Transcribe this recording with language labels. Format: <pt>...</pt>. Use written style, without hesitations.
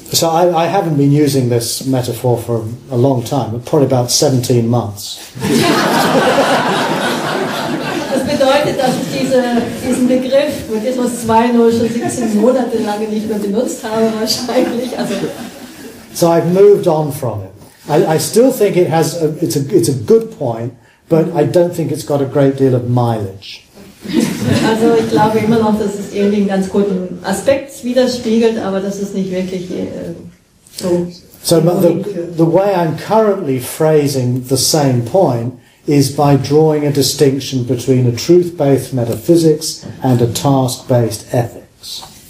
<en>So I haven't been using this metaphor for a long time, probably about 17 months.</en> <de>Das bedeutet, dass ich diesen Begriff Buddhismus 2.0 schon 17 Monate lange nicht mehr benutzt habe, wahrscheinlich.</de> <en>So I've moved on from it. I still think it has it's a good point, but I don't think it's got a great deal of mileage.</en> <de>Also ich glaube immer noch, dass es irgendwie einen ganz guten Aspekt widerspiegelt, aber das ist nicht wirklich so.</de> <en>So the way I'm currently phrasing the same point is by drawing a distinction between a truth-based metaphysics and a task-based ethics.</en>